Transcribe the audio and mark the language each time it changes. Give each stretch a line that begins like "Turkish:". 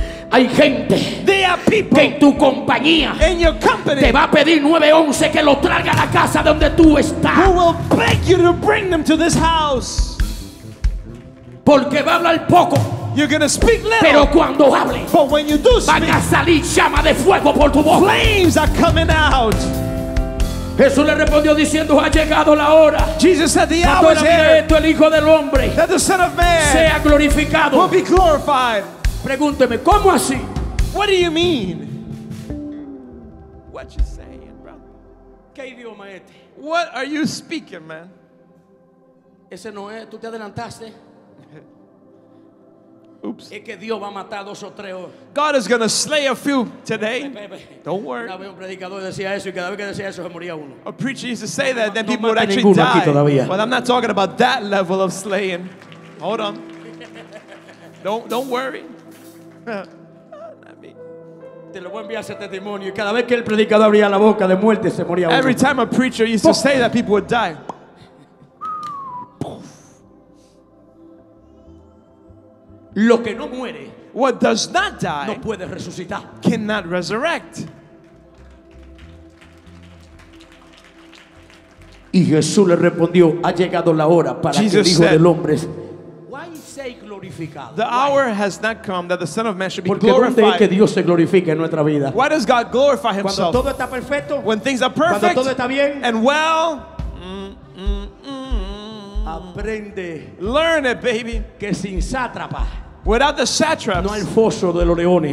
Spanish: Hay gente que en tu compañía te va a pedir 9:11 que lo traiga a la casa donde tú estás.
English: Who will beg you to bring them to this house?
Spanish: Porque va a hablar poco.
English: You're gonna speak little.
Spanish: Pero cuando hable,
English: but when you do speak,
Spanish: van a salir llama de fuego por tu boca.
English: Flames are coming out.
Spanish: Jesús le respondió diciendo, ha llegado la hora.
English: Jesus said the hour is here.
Spanish: Esto, el Hijo del Hombre,
English: that the Son of Man
Spanish: sea glorificado.
English: Will be glorified.
Spanish: Pregúnteme, ¿cómo así?
English: What do you mean? What you saying, brother?
Spanish: ¿Qué idioma es este?
English: What are you speaking, man?
Spanish: Ese no es, tú te adelantaste.
English: Oops.
Spanish: Es que Dios va a matar dos o tres hoy.
English: God is going to slay a few today. Don't worry.
Spanish: Una vez un predicador decía eso y cada vez que decía eso se moría uno.
English: A preacher used to say that, then people would actually die. But I'm not talking about that level of slaying. Hold on. Don't worry.
Spanish: Te lo voy a enviar ese testimonio. Cada vez que el predicador abría la boca de muerte se moría uno.
English: Every time a preacher used to say that, people would die.
Spanish: Lo que no muere,
English: what does not die,
Spanish: no puede resucitar,
English: cannot resurrect.
Spanish: Y Jesús le respondió, ha llegado la hora para que el Hijo del Hombre.
English: Why say glorificado? The hour has not come that the Son of Man should be
Spanish: porque
English: glorified.
Spanish: Porque que Dios se glorifica en nuestra vida.
English: Why does God glorify himself?
Spanish: Cuando todo está perfecto.
English: When things are perfect.
Spanish: Cuando todo está bien.
English: And well.
Spanish: Aprende.
English: Learn it, baby.
Spanish: Que sin sátrapa.
English: Without the satraps,
Spanish: no hay foso de los leones.